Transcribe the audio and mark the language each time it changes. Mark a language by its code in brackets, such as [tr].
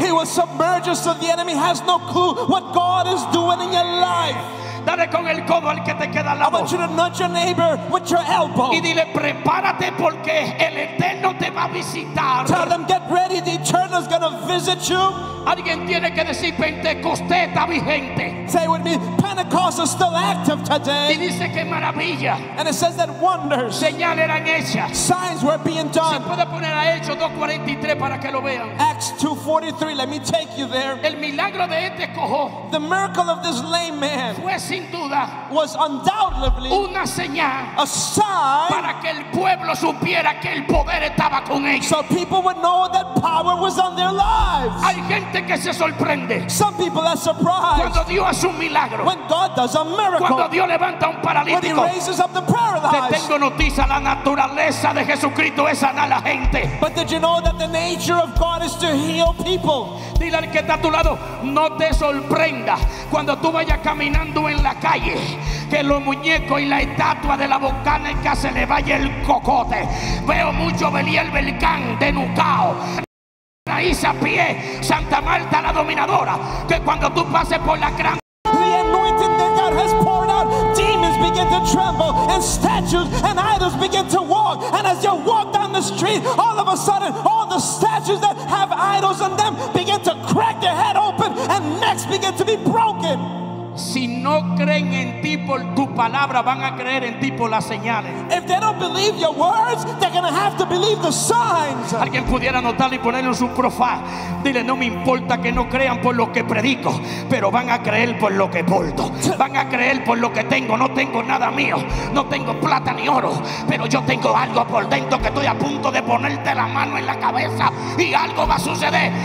[en] He will submerge you so the enemy has no clue what God is doing in your life. [es] Dale con el codo al que te queda al lado. [en] I want you to nudge your neighbor with your elbow. [es] Y dile: prepárate porque el eterno te va a visitar. [en] Tell them: get ready, the eternal is going to visit you. [es] Alguien tiene que decir: Pentecostés está vigente. [en] Say with me: Pentecost is still active today. [es] Y dice que maravilla. [en] And it says that wonders, [es] señales eran hechas, [en] signs were being done. [es] Se puede poner a Hechos 2:43 para que lo vean. [en] Acts 2:43. Let me take you there. [es] El milagro de este cojo. [en] The miracle of this lame man. [es] Sin duda, [en] was undoubtedly [es] una señal, [en] a sign, [es] para que el pueblo supiera que el poder estaba con ellos. [en] So people would know that power was on their lives. [es] Hay gente que se sorprende. [en] Some people are surprised. [es] Cuando Dios hace un milagro. [en] When God does a miracle. [es] Cuando Dios levanta un paralítico. [en] When he raises up the paralyzed. [es] Te tengo noticia, la naturaleza de Jesucristo es sanar a la gente. [en] But did you know that the nature of God is to heal people? [es] Dile al que está a tu lado: no te sorprenda cuando tú vayas caminando en la calle, que los muñecos y la estatua de la volcánica se le vaya el cocote. Veo mucho Beliel Belcán denucao, raíz a pie, Santa Marta la dominadora, que cuando tú pases por la gran [en] the anointing that God has poured out, demons begin to tremble and statues and idols begin to walk, and as you walk down the street, all of a sudden all the statues that have idols in them begin to crack their head open and necks begin to be broken. [es] Si no creen en ti por tu palabra, van a creer en ti por las señales. [en] If they don't believe your words, they're going to have to believe the signs. [es] Alguien pudiera anotarlo y ponerlo en su profile. Dile, no me importa que no crean por lo que predico, pero van a creer por lo que porto. Van a creer por lo que tengo. No tengo nada mío, no tengo plata ni oro, pero yo tengo algo por dentro que estoy a punto de ponerte la mano en la cabeza y algo va a suceder.